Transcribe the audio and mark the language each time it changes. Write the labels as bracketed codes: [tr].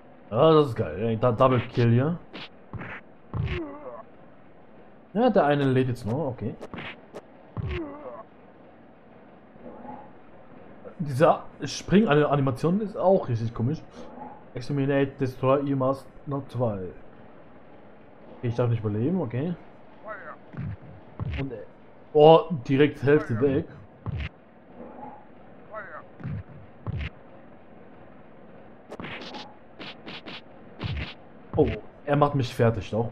[de] Ja, das ist geil. Ja, Double Kill hier. Ja. Ja, der eine lädt jetzt noch. Okay. Dieser Spring-Animation ist auch richtig komisch. [en] Exterminate, Destroy, you must not try. [de] Okay, ich darf nicht überleben, okay. Und, oh, direkt Hälfte weg. Oh, er macht mich fertig doch.